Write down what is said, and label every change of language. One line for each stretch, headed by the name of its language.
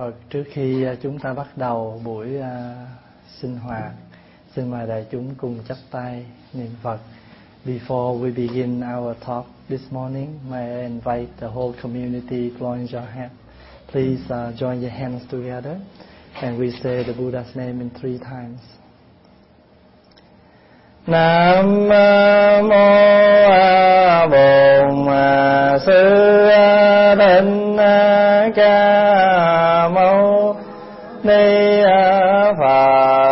Vietnamese: Trước khi chúng ta bắt đầu buổi sinh hoạt, Xin mời đại chúng cùng chắp tay niệm Phật.
English: Before we begin our talk this morning, may I invite the whole community join your hands. Please join your hands together and we say the Buddha's name in three times.
Vietnamese: Nam mô A Bổn Sư Thích Ca Mâu Ni Phật.